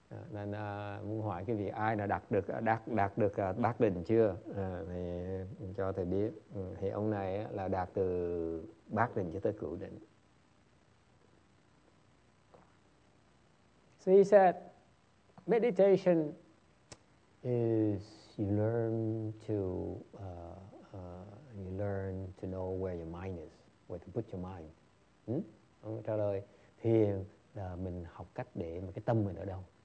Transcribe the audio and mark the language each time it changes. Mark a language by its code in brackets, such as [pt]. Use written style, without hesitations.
[vi] Nên muốn hỏi cái vị ai đã đạt được bát định chưa thì cho thầy biết. Thì ông này là đạt từ bát định cho tới cửu định. [en] So he said, Meditation is you learn to know where your mind is, where to put your mind. [vi] Ông trả lời, thiền là mình học cách để mà cái tâm mình ở đâu.